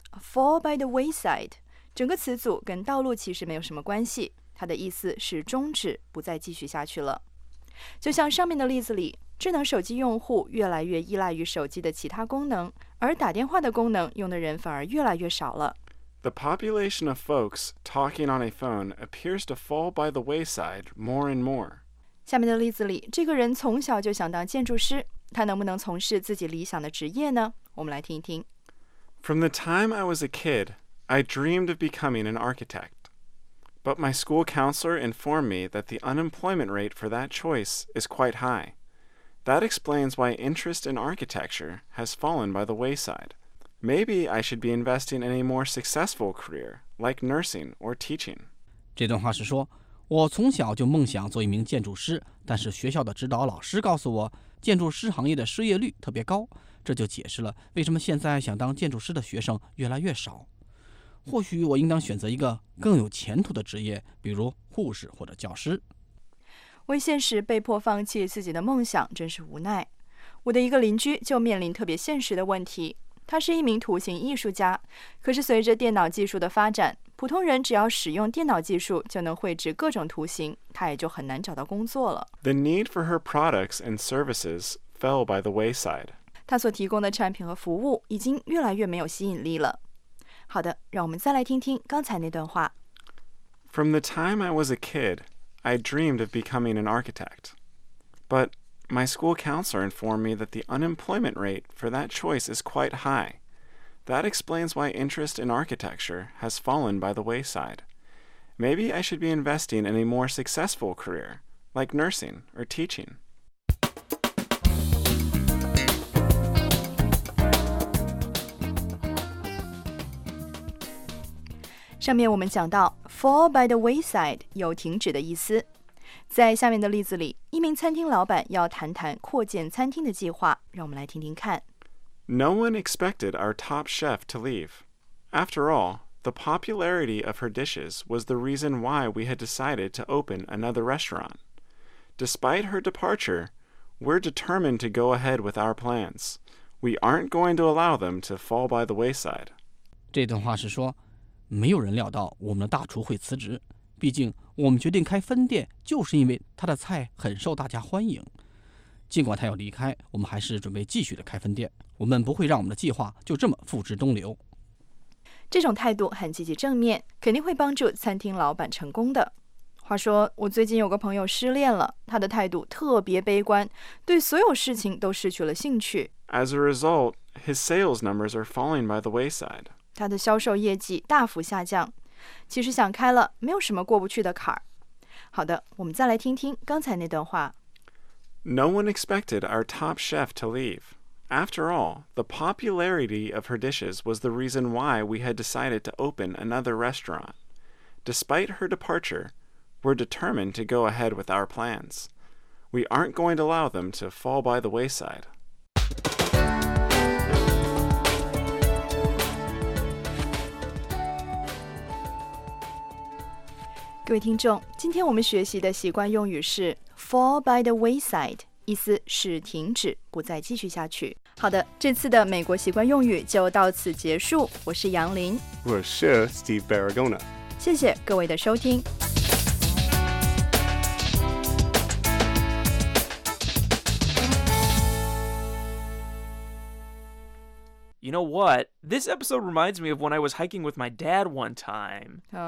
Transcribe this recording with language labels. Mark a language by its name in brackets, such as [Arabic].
[English] Fall by the wayside. [Chinese] 整个词组跟道路其实没有什么关系。它的意思是终止，不再继续下去了。就像上面的例子里，智能手机用户越来越依赖于手机的其他功能，而打电话的功能用的人反而越来越少了。 [English] The population of folks talking on a phone appears to fall by the wayside more and more. [Chinese] 下面的例子里，这个人从小就想当建筑师，他能不能从事自己理想的职业呢？我们来听一听。 [English] From the time I was a kid, I dreamed of becoming an architect. But my school counselor informed me that the unemployment rate for that choice is quite high. That explains why interest in architecture has fallen by the wayside. Maybe I should be investing in a more successful career, like nursing or teaching. [Chinese] 这段话是说，我从小就梦想做一名建筑师，但是学校的指导老师告诉我，建筑师行业的失业率特别高，这就解释了为什么现在想当建筑师的学生越来越少。或许我应当选择一个更有前途的职业，比如护士或者教师。为现实被迫放弃自己的梦想，真是无奈。我的一个邻居就面临特别现实的问题。他是一名图形艺术家，可是随着电脑技术的发展，普通人只要使用电脑技术就能绘制各种图形，他也就很难找到工作了。 [English] The need for her products and services fell by the wayside. [Chinese] 他所提供的产品和服务已经越来越没有吸引力了。好的，让我们再来听听刚才那段话。 [English] From the time I was a kid, I dreamed of becoming an architect. But my school counselor informed me that the unemployment rate for that choice is quite high. That explains why interest in architecture has fallen by the wayside. Maybe I should be investing in a more successful career, like nursing or teaching. [Chinese] 上面我们讲到 fall by the wayside 有停止的意思。在下面的例子里，一名餐厅老板要谈谈扩建餐厅的计划，让我们来听听看。 [English] No one expected our top chef to leave. After all, the popularity of her dishes was the reason why we had decided to open another restaurant. Despite her departure, we're determined to go ahead with our plans. We aren't going to allow them to fall by the wayside. [Chinese] 这段话是说，没有人料到我们的大厨会辞职。毕竟，我们决定开分店，就是因为他的菜很受大家欢迎。尽管他要离开，我们还是准备继续的开分店。我们不会让我们的计划就这么付之东流。这种态度很积极正面，肯定会帮助餐厅老板成功的。话说，我最近有个朋友失恋了，他的态度特别悲观，对所有事情都失去了兴趣。 [English] As a result, his sales numbers are falling by the wayside. [Chinese] 他的销售业绩大幅下降。其实想开了，没有什么过不去的坎儿。好的，我们再来听听刚才那段话。 [English] No one expected our top chef to leave. After all, the popularity of her dishes was the reason why we had decided to open another restaurant. Despite her departure, we're determined to go ahead with our plans. We aren't going to allow them to fall by the wayside. [Chinese] 各位听众，今天我们学习的习惯用语是 fall by the wayside. 意思是停止，不再继续下去。好的，这次的美国习惯用语就到此结束。我是杨林，我是 Steve Barragona。谢谢各位的收听。 [English] You know what? This episode reminds me of when I was hiking with my dad one time.